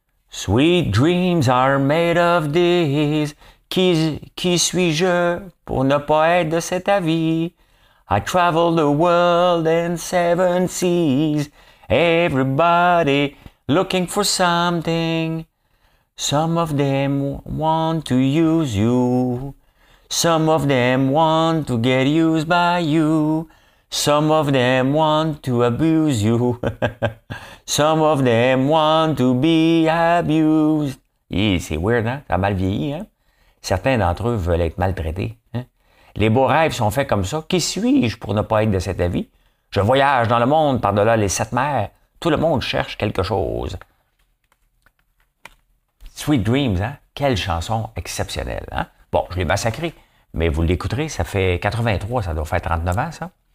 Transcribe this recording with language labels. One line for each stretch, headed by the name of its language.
English: Sweet dreams are made of this.
French: Qui suis-je pour ne pas être de cet avis?
English: I travel the world in seven seas. Everybody looking for something. Some of them want to use you. Some of them want to get used by you. Some of them want to abuse you. Some of them want to be abused.
French: Et c'est weird, hein? Ça a mal vieilli, hein? Certains d'entre eux veulent être maltraités. Hein? Les beaux rêves sont faits comme ça. Qui suis-je pour ne pas être de cet avis? Je voyage dans le monde par-delà les sept mers. Tout le monde cherche quelque chose. Sweet Dreams, hein? Quelle chanson exceptionnelle, hein? Bon, je l'ai massacré, mais vous l'écouterez, ça fait 83, ça doit faire 39 ans, ça.